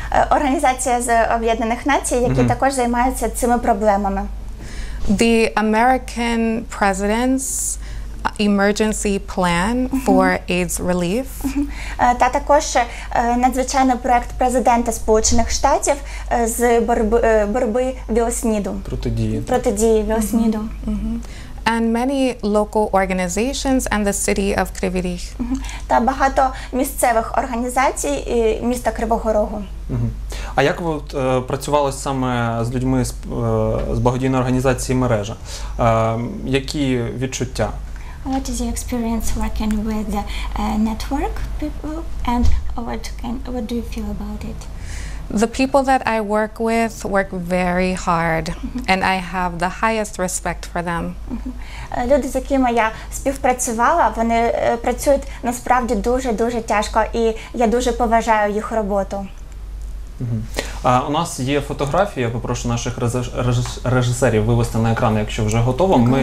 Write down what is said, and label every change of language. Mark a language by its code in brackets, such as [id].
[uk] Організація з Об'єднаних Націй, які також займаються цими проблемами. [en] The American President's Emergency Plan for AIDS Relief. [uk] Та також надзвичайний проект президента Сполучених Штатів з боротьби ВІЛСНІДу. Протидії ВІЛСНІДу. [en] And many local organizations and the city of Kryvyi Rih. [uk] Та багато місцевих організацій і міста Кривого Рогу. А як ви працювали саме з людьми з благодійної організації «Мережа»? Які відчуття? [en] What is your experience working with the network people and what do you feel about it? The people that I work with work very hard, and I have the highest respect for them. [uk] Люди, з якими я співпрацювала, вони працюють насправді дуже-дуже тяжко, і я дуже поважаю їх роботу. У нас є фотографії, я попрошу наших режисерів вивести на екран, якщо вже готово.